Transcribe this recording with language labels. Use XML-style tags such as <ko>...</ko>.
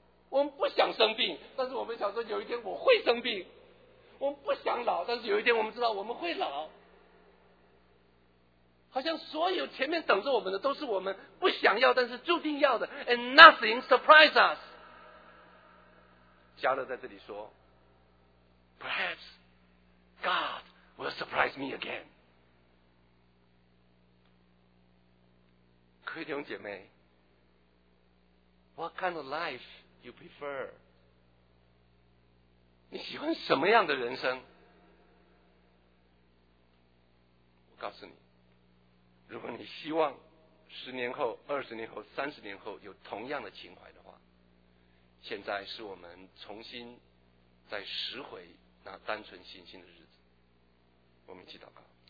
<zh>我们不想生病，但是我们想说有一天我会生病。我们不想老，但是有一天我们知道我们会老。好像所有前面等着我们的都是我们不想要但是注定要的</zh> <en>and nothing surprises us。</en> <zh>加勒在这里说</zh> <en>Perhaps God will surprise me again。</en> <zh>各位弟兄姐妹，</zh> <en>What kind of life you prefer？</en> <zh>你喜欢什么样的人生？我告诉你，如果你希望十年后、二十年后、三十年后有同样的情怀的话，现在是我们重新再拾回那单纯信心的日子。我们一起祷告。</zh>